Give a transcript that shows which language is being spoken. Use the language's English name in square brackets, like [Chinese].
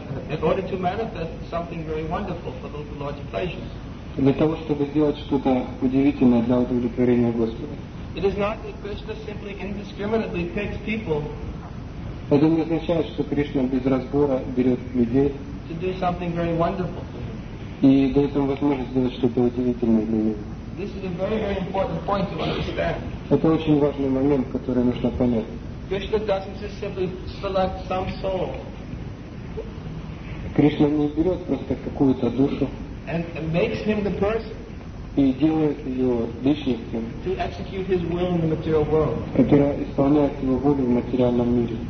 [English] in order to manifest something very wonderful for the Lord's pleasure. [Russian] Для того, чтобы сделать что-то удивительное для удовлетворения Господа. [English] It is not that Krishna simply indiscriminately picks people. [Russian] Это не означает, что Кришна без разбора берет людей [English] to do something very wonderful. [Russian] И дает им возможность сделать что-то удивительное для них. [English] This is a very, very important point to understand. [Russian] Это очень важный момент, который нужно понять. [English] Krishna doesn't just simply select some soul. [Russian] Кришна не берет просто какую-то душу [English] and makes him the person [Russian] и делает ее личностью, [English] to execute his will in the material world. [Russian] Которая исполняет его волю в материальном мире.